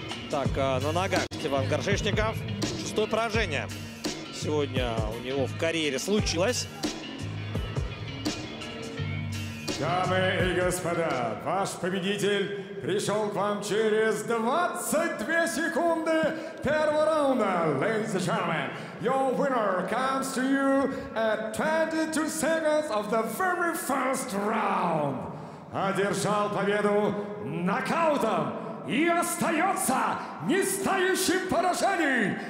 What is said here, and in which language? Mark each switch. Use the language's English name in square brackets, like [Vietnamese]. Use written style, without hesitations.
[Russian] Так, на ногах Степан Горшечников. 6-е поражение сегодня у него в карьере случилось. Дамы и господа, ваш победитель пришел к вам через 22 секунды первого раунда. [English] Ladies and gentlemen, your winner comes to you at 22 seconds of the very first round. [Russian] Одержал победу нокаутом и остается нестающим поражением.